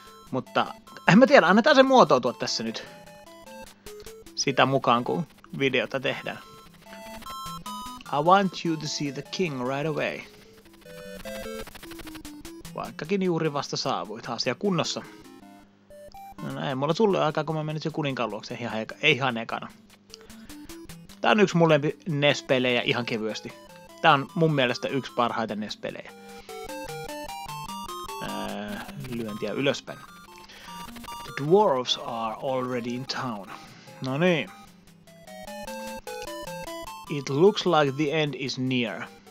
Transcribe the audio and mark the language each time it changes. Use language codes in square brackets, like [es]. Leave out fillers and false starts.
[fi] Mutta en mä tiedä, annetaan se muotoutua tässä nyt sitä mukaan, kun videota tehdään. [en] I want you to see the king right away. [fi] Vaikkakin juuri vasta saavuit, asia kunnossa. No näin, mulla sulle on aikaa, kun mä menin sen kuninkaan luokse ihan ekana. Tää on yksi mun lempi NES-pelejä ihan kevyesti. Tää on mun mielestä yksi parhaita NES-pelejä. Lyöntiä ylöspäin. [en] The dwarves are already in town. [fi] No niin. [en] It looks like the end is near.